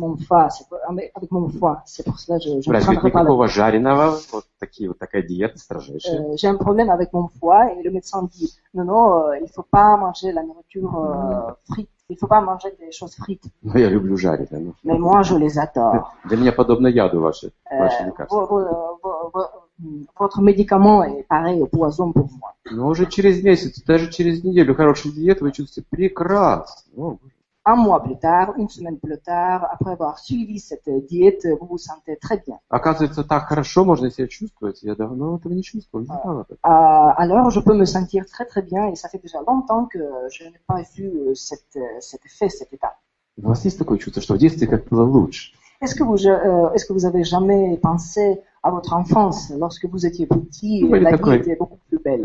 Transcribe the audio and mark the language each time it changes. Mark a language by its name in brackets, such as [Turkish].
[French] Avec mon foie, c'est pour cela que je ne prendrai pas la douche. [Russian] Жареного, вот такие, вот такая диета строжайшая. [French] J'ai un problème avec mon foie et le médecin dit non, il ne faut pas manger la nourriture frite, il ne faut pas manger des choses frites. [Russian] Но я люблю жареное. [French] Mais moi, je les adore. [Russian] Для меня подобно яду ваше лекарство. [French] Votre médicament est pareil au poison pour moi. [Russian] Но уже через месяц, даже через неделю хорошую диету вы чувствуете прекрасно. [French] Un mois plus tard, une semaine plus tard, après avoir suivi cette diète, vous vous sentez très bien. [Russian] Оказывается, так хорошо можно себя чувствовать. Я давно этого не чувствовал. Не знала так. [French] Alors, je peux me sentir très très bien et ça fait déjà longtemps que je n'ai pas eu cet effet, cet état. [Russian] У вас есть такое чувство, что в детстве как было лучше? [French] Est-ce que vous avez jamais pensé à votre enfance, lorsque vous étiez petit, la vie était beaucoup plus belle.